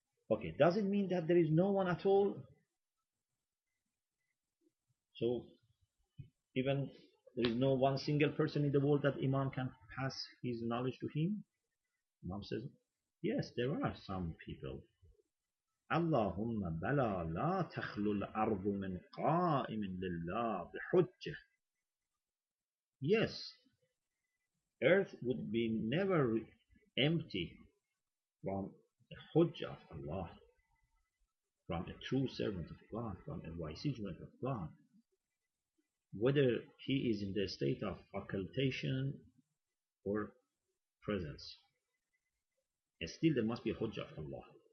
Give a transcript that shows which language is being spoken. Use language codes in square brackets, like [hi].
[en] Okay, does it mean that there is no one at all? So even there is no one single person in the world that Imam can pass his knowledge to him? Imam says, yes, there are some people. [ar] اللهم بلا لا تخلو الأرض من قائم لله بحجة. [en] Yes, earth would be never empty from the Hujjah of Allah, from a true servant of God, from a wise servant of God. Whether he is in the state of occultation or presence, and still there must be a Hujjah of Allah.